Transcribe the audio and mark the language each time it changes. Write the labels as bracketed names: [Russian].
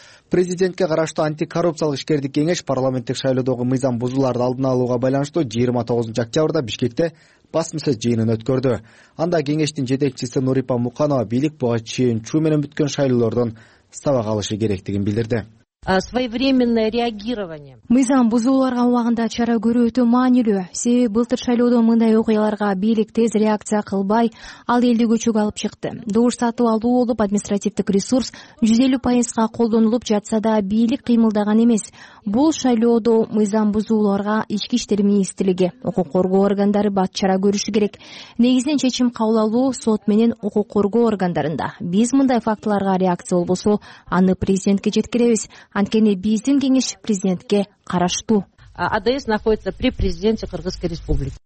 [Kyrgyz] Президентке караштуу антикоррупциялык ишкердик кеңеш парламенттик шайлоодогу мыйзам бузууларды алдын алууга байланыштуу 29 октябрда Бишкекте басмыса жыйынын өткөрдү. Анда кеңештин жетекчиси Нурипа Муканова бийлик буга чейин чуу менен бүткөн шайлоолордон сабак алышы керектигин билдирди. [Russian] Своевременное реагирование. [Kyrgyz] Мыйзам бузууларга убагында чара көрүү өтө маанилүү. Себеби былтыр шайлоодо мындай окуяларга бийлик тез реакция кылбай, ал элди көчөгө алып чыкты. Добуш сатып алуу болуп, административдик ресурс 150% колдонулуп жатса да, бийлик кыймылдаган эмес. Бул шайлоодо мыйзам бузууларга Ички иштер министрлиги, укук коргоо органдары бат чара көрүшү керек. Негизинен чечим кабыл алуу сот менен укук коргоо органдарында. Биз мындай фактыларга реакция болбосо, аны президентке жеткиребиз. Анткени биздин кеңеш президентке караштуу. [Russian] АДС находится при президенте Кыргызской Республики.